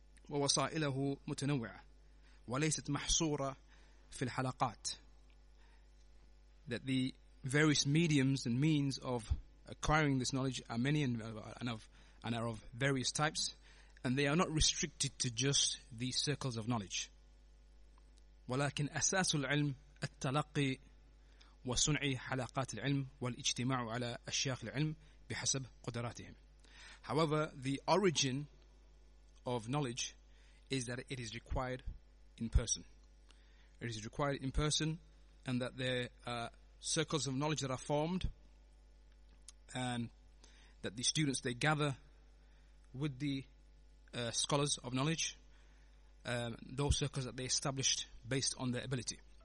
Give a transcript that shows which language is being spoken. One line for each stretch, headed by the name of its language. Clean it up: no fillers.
Arabic: وَوَصَائِلَهُ مُتَنَوِّعًا وَلَيْسَتْ مَحْصُورًا فِي الْحَلَقَاتِ.
English: That the various mediums and means of acquiring this knowledge are many and are of various types, and they are not restricted to just these circles of knowledge.
Arabic: ولكن أساس العلم التلقي وصنع حلقات العلم والاجتماع على أشياخ العلم بحسب قدراتهم.
English: However, the origin of knowledge is that it is required in person. It is required in person, and that there are circles of knowledge that are formed, and that the students, they gather with the scholars of knowledge, those circles that they established based on their ability.